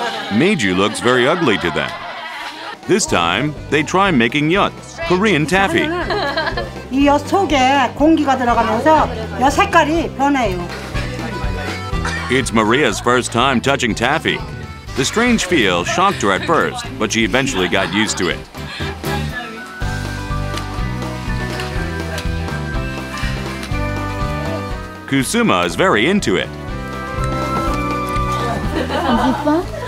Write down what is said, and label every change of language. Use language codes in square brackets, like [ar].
[en] Meju looks very ugly to them. This time, they try making yeot, Korean taffy. [ko] 이 엿 속에 공기가 들어가면서 엿 색깔이 변해요. [en] It's Maria's first time touching taffy. The strange feel shocked her at first, but she eventually got used to it. Kusuma is very into it. Is it fun?